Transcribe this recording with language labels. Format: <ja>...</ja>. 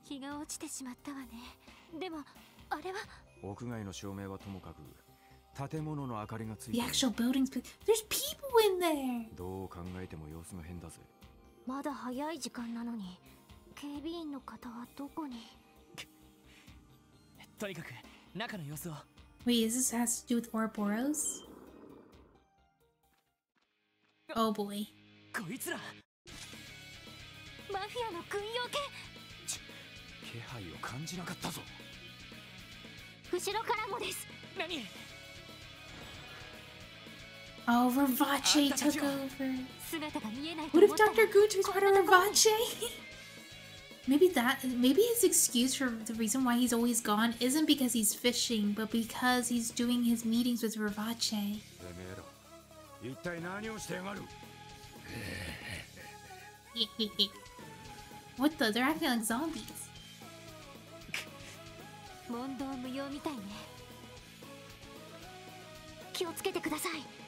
<ja>日が落ちてしまったわね。でもあれは屋外の照明はともかく建物の明かりがつい</ja> <en>て。The actual building's but there's people in there.</en> <ja>どう考えても様子が変だぜ。まだ早い時間なのに警備員の方はどこに？とにかく中の様子を。</ja> <en>Wait, is this has to do with Ouroboros? Oh boy.</en> <ja>こいつら。マフィアの軍用犬。気配を感じなかったぞ。後ろからもです。何？</ja> <en>Oh, Ravache took over.</en> <ja>全てが見えない。</ja> <en>What if Dr. Gunter is part of Ravache? Maybe his excuse for the reason why he's always gone isn't because he's fishing, but because he's doing his meetings with Ravache.</en> <ja>てめえら、一体何をしてやがる？</ja> <en>What the? They're acting like zombies.</en> <ja>問答無用みたいね。気をつけてください。</ja>